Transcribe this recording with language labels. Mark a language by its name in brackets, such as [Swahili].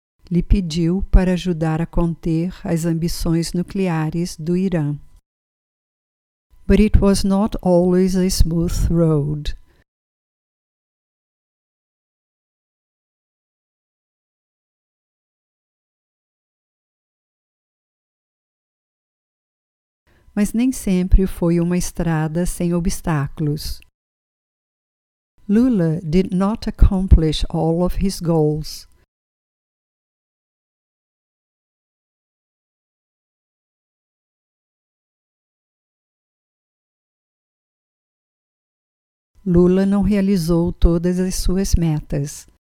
[Portuguese] lhe pediu para ajudar a conter as ambições nucleares do Irã. [English] But it was not always a smooth road. [Portuguese] Mas nem sempre foi uma estrada sem obstáculos. [English] Lula did not accomplish all of his goals. [Portuguese] Lula não realizou todas as suas metas.